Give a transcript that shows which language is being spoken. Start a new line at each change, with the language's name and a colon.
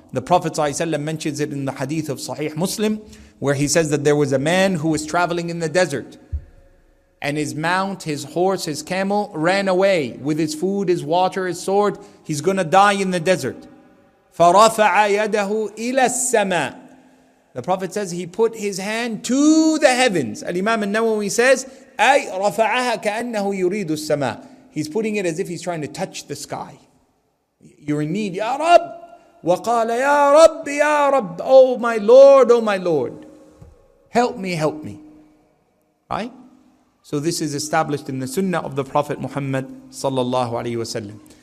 English: The Prophet ﷺ mentions it in the hadith of Sahih Muslim, where he says that there was a man who was traveling in the desert, and his mount, his horse, his camel ran away with his food, his water, his sword. He's going to die in the desert.
Arabic: فَرَفَعَ يَدَهُ إِلَى السَّمَاءِ.
English: The Prophet says he put his hand to the heavens. Al-Imam al-Nawawi says,
Arabic: أي رَفَعَهَا كَأَنَّهُ يُرِيدُ السَّمَاءِ.
English: He's putting it as if he's trying to touch the sky. You're in need,
Arabic: يَا رَبْ. وَقَالَ يَا رَبْ يَا رَبْ.
English: Oh my Lord, oh my Lord. Help me, help me. Right? So this is established in the sunnah of the Prophet Muhammad sallallahu alayhi wasallam.